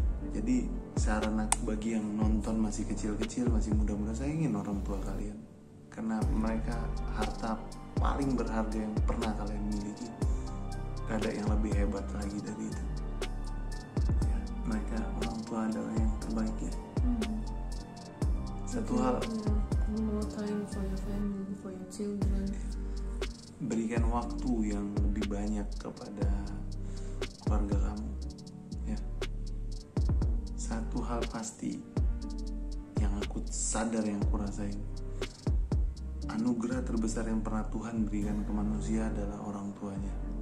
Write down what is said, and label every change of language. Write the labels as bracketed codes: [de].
[id] Jadi saran aku bagi yang nonton masih kecil-kecil, masih muda-muda, sayangin orang tua kalian. karena mereka harta paling berharga yang pernah kalian miliki. Gak ada yang lebih hebat lagi dari itu. Ya, mereka orang tua adalah yang terbaik ya. Hmm. Satu hal. [en] More time for your family, for your children. [id] Berikan waktu yang lebih banyak kepada keluarga kamu. Ya. Satu hal pasti yang aku sadar, yang aku rasain. Anugerah terbesar yang pernah Tuhan berikan ke manusia adalah orang tuanya.